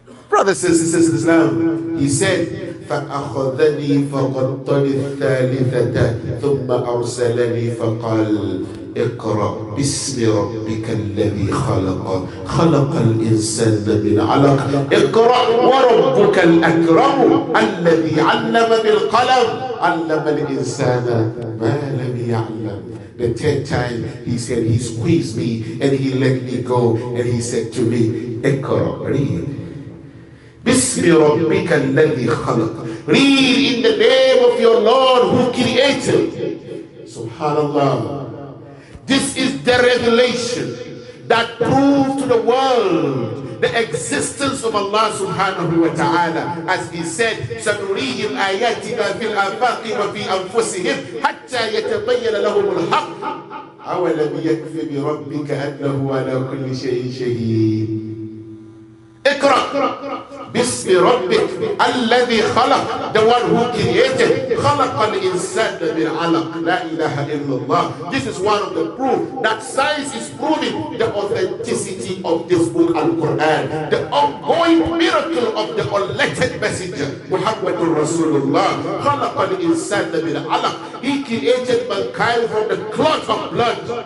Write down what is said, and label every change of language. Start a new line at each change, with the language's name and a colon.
English: Brothers and sisters in Islam, he said,
Arabic: فَأَخَذَنِي فَغَطَّنِي الثَّالِثَةَ ثُمَّ أَرْسَلَنِي فَقَالْ اِقْرَأْ بِاسْمِ رَبِّكَ الَّذِي خَلَقَ خَلَقَ الْإِنسَانَ مِنْ عَلَقٍ اِقْرَأْ وَرَبُّكَ الْأَكْرَمُ الَّذِي عَلَّمَ بِالْقَلَمُ عَلَّمَ الْإِنسَانَ مَا لَمْ يَعْلَمُ.
English: The third time, he said, he squeezed me and he let me go and he said to me,
Arabic: اِقْرَأْ رِيَدْ بِاسْمِ رَبِّكَ الَّذِي خَلَقَ.
English: Read in the name of your Lord who created. Subhanallah. This is the revelation that proved to the world the existence of Allah subhanahu wa ta'ala. As he said,
Arabic: سَنُرِيهِمْ آيَاتِنَا فِي الْآفَاقِ وَفِي أَنفُسِهِمْ حَتَّى يَتَبَيَّنَ لَهُمُ الْحَقِّ أَوَلَمْ يَكْفِ بِرَبِّكَ أَنَّهُ عَلَى كُلِّ شَيْءٍ شَهِيدٌ. اقرأ بِاسْمِ رَبِّكَ الَّذِي خَلَقَ,
English: the one who created.
Arabic: خَلَقَ الْإِنسَانَ مِنْ عَلَقٍ لَا إِلَهَ إِلَّا اللَّهُ.
English: This is one of the proof that science is proving the authenticity of this book Al-Quran, the ongoing miracle of the unlettered messenger Muhammad Rasulullah.
Arabic: خَلَقَ الْإِنسَانَ مِنْ عَلَقٍ.
English: He created mankind from the clot of blood.